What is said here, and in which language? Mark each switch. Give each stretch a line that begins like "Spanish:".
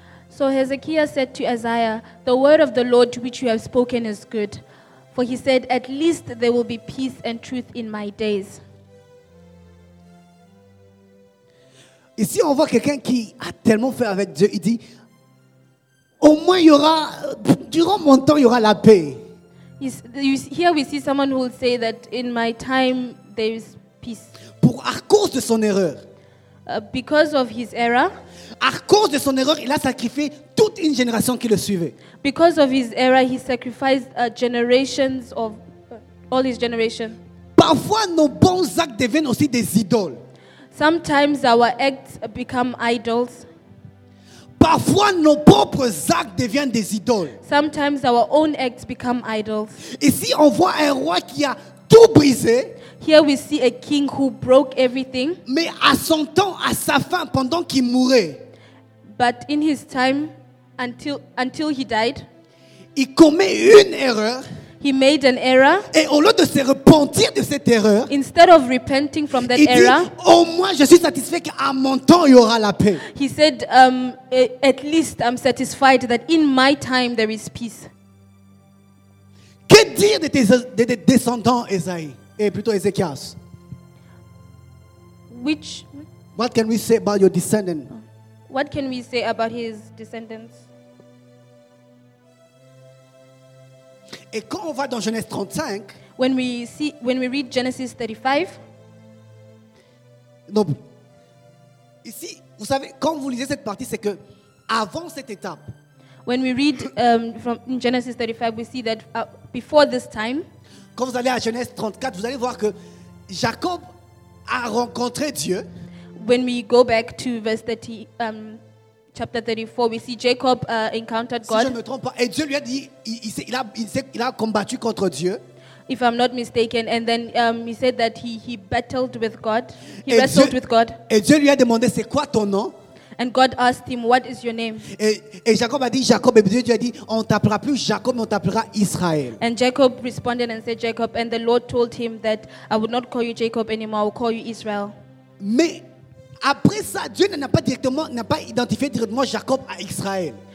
English: So Hezekiah said to Isaiah, the word of the Lord which you have spoken is good. For he said, at least there will be peace and truth in my days.
French: Ici, on voit quelqu'un qui a tellement fait avec Dieu. Il dit, au moins, durant mon temps, il y aura la paix.
English: Here we see someone who will say that in my time, there is peace.
French: À cause de son erreur.
English: Because of his error.
French: À cause de son erreur, il a sacrifié toute une génération qui le suivait.
English: Because of his error, he sacrificed generations of all his generation.
French: Parfois, nos bons actes deviennent aussi des idoles.
English: Sometimes our acts become idols.
French: Parfois nos propres actes deviennent des idoles.
English: Sometimes our own acts become idols.
French: Ici on voit un roi qui a tout brisé.
English: Here we see a king who broke everything.
French: Mais à son temps, à sa fin, pendant qu'il mourait.
English: But in his time, until he died.
French: Il commet une erreur.
English: He made an error.
French: Et au lieu de se repentir de cette erreur,
English: instead of repenting from that
French: il dit,
English: error,
French: au moins je suis satisfait qu'à mon temps il y aura la paix.
English: He said, at least I'm satisfied that in my time there is peace.
French: Que dire de tes descendants, Esaïe, et plutôt Ézéchias?
English: Which? What can we say about your descendant, What can we say about his descendants?
French: Et quand on va dans Genèse 35,
English: when we read Genesis 35,
French: donc ici, vous savez, quand vous lisez cette partie, c'est que avant cette étape,
English: when we read from in Genesis 35, we see that before this time,
French: quand vous allez à Genèse 34, vous allez voir que Jacob a rencontré Dieu.
English: When we go back to verse 30, chapter 34, we see Jacob encountered God.
French: Si je ne me trompe pas, et Dieu lui a dit, il a combattu contre Dieu.
English: If I'm not mistaken, and then he said that he battled with God. He et wrestled
French: Dieu,
English: with God.
French: Et Dieu lui a demandé, c'est quoi ton nom?
English: And God asked him, what is your name?
French: Et Jacob a dit, Jacob. Et Dieu lui a dit, on t'appellera plus Jacob, mais on t'appellera Israël.
English: And Jacob responded and said, Jacob. And the Lord told him that I would not call you Jacob anymore. I will call you Israel.
French: Mais après ça, Dieu n'a pas directement, n'a pas identifié directement Jacob à Israël.